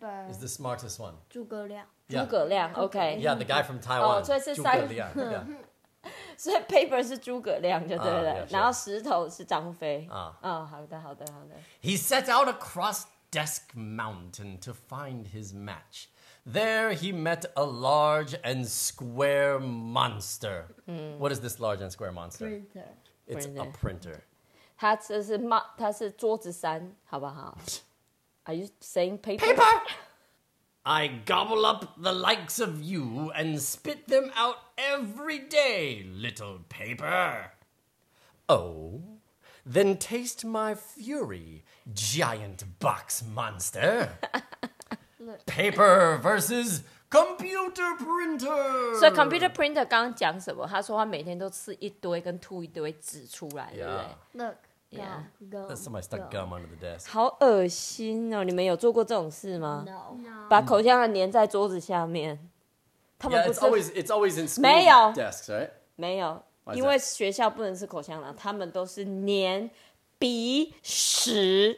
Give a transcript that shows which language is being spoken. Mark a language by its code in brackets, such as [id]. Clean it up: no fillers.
[en] is the smartest one。 [zh] 诸葛亮。 [en] Yeah. 诸葛亮 ，OK。 Yeah, the guy from Taiwan。 [zh] 哦，所以是 [en] 诸葛亮。Yeah. [zh] 所以 paper 是诸葛亮就对了。 [en] Yeah, sure. [zh] 然后石头是张飞。啊，好的。 [en] He set out across Desk Mountain to find his match. There he met a large and square monster.、嗯、 What is this large and square monster?、 Printer. It's a printer. [zh] 它是桌子山，好不好？ [en] Are you saying paper? Paper! I gobble up the likes of you and spit them out every day, little paper. Oh, then taste my fury, giant box monster. Paper versus... Computer printer. [zh] So computer printer 刚刚讲什么？他说他每天都吃一堆跟吐一堆纸出来， [en] yeah. [zh] 对不对 [en] ？Look, gum. That's somebody stuck gum under the desk. [zh] 好恶心哦！你们有做过这种事吗 [en] ？No. [zh] 把口香糖粘在桌子下面。他们不是 [en] yeah, it's always in school desks, right? [zh] 没有，因为学校不能吃口香糖，他们都是粘鼻屎。